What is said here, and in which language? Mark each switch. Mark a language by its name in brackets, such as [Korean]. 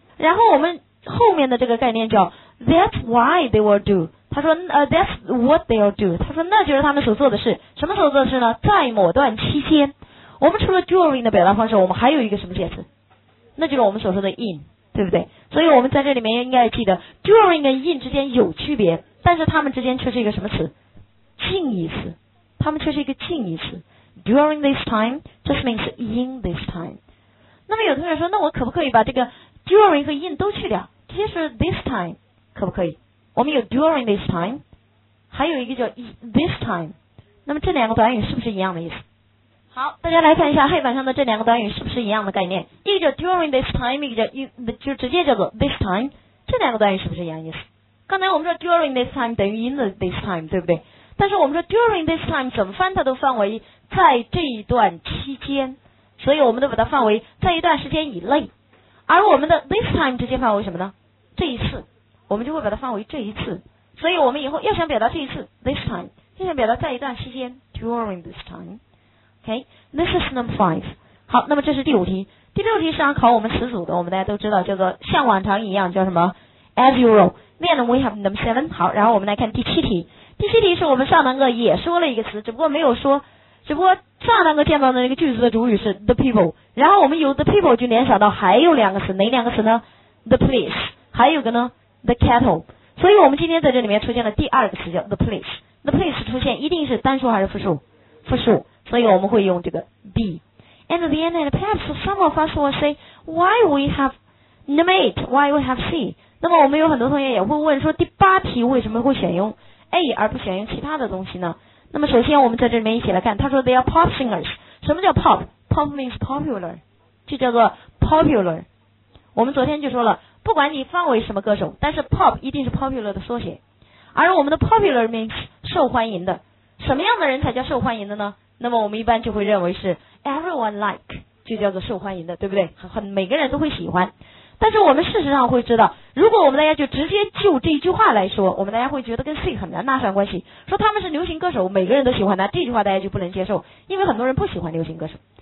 [Chinese] 然后我们后面的这个概念叫 [English] that's why they will do， [Chinese] 他说 [English] that's what they'll do， [Chinese] 他说那就是他们所做的事，什么时候做的事呢？在某段期间。我们除了 during 的表达方式，我们还有一个什么介词？那就是我们所说的 in， 对不对？所以我们在这里面应该记得 during 跟 in 之间有区别，但是他们之间却是一个什么词？近义词。他们却是一个近义词。 [English] during this time just means in this time。 [Chinese] 那么有同学说，那我可不可以把这个 during 和 in 都去掉，直接说 this time， 可不可以？我们有 during this time， 还有一个叫 this time， 那么这两个短语是不是一样的意思？好，大家来看一下黑板上的这两个短语是不是一样的概念，一个叫 during this time， 一个叫 in， 就直接叫做 this time， 这两个短语是不是一样的意思？刚才我们说 during this time 等于 in this time， 对不对？但是我们说 during this time 怎么翻它都范围在这一段期间，所以我们都把它范围在一段时间以内，而我们的 this time 直接范围什么呢？这一次，我们就会把它范围这一次，所以我们以后要想表达这一次 this time， 要想表达在一段期间 during this time。 [English] OK， this is number five。 [Chinese] 好，那么这是第五题。第六题是要考我们词组的，我们大家都知道叫做像往常一样，叫什么 as usual。 [English] Then we have number seven。 [Chinese] 好，然后我们来看第七题。第七题是我们上堂课也说了一个词，只不过没有说，只不过上堂课见到的那个句子的主语是 the people， 然后我们由 the people 就联想到还有两个词，哪两个词呢？ the police， 还有个呢？ [English] the cattle。 [Chinese] 所以我们今天在这里面出现了第二个词叫 the police。the police 出现一定是单数还是复数？复数，所以我们会用这个 be。 [English] And then and perhaps some of us will say why we have number eight， why we have C。 [Chinese] 那么我们有很多同学也会问说，第八题为什么会选用A 而不选用其他的东西呢？那么首先我们在这里面一起来看，他说 they are pop singers。什么叫 pop？ [English] pop means popular， [Chinese] 就叫做 [English] popular。 [Chinese] 我们昨天就说了，不管你范围什么歌手，但是 pop 一定是 popular 的缩写，而我们的 popular means 受欢迎的。什么样的人才叫受欢迎的呢？那么我们一般就会认为是 everyone like， 就叫做受欢迎的，对不对？很每个人都会喜欢。但是我们事实上会知道，如果我们大家就直接就这一句话来说，我们大家会觉得跟 C 很难拉上关系，说他们是流行歌手，每个人都喜欢他，这句话大家就不能接受，因为很多人不喜欢流行歌手。